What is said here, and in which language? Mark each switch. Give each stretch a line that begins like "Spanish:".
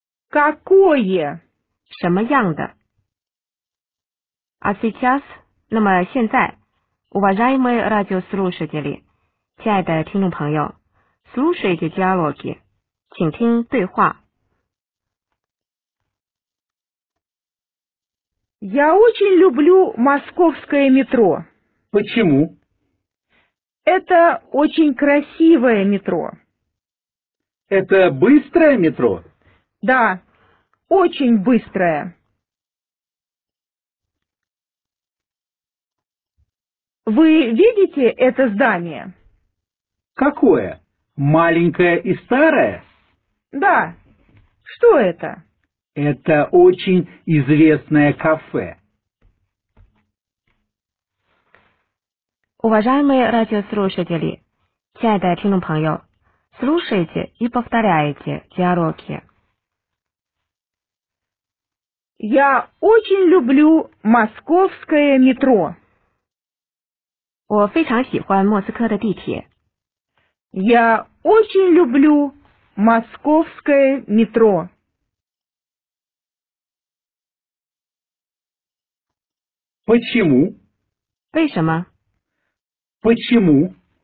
Russian: какое,
Chinese: 什么样的。
Russian: А сейчас,
Chinese: 那么现在
Russian: Уважаемые радиослушатели,
Chinese: 亲爱的听众朋友
Russian: Слушайте диалоги,
Chinese: 请听对话。
Russian: Я очень люблю московское метро. Почему? Это очень красивое метро. Это быстрое метро? Да, очень быстрое. Вы видите это здание? Какое? Маленькое и старое? Да. Что это? Это очень известное кафе. Уважаемые радиослушатели,
Chinese: 亲爱的听众朋友,
Russian: слушайте и повторяйте диалоги. Я очень люблю московское метро.
Chinese: 我非常喜欢莫斯科的地铁.
Russian: Я очень люблю московское метро. Почему?
Chinese: 为什么?
Russian: Почему?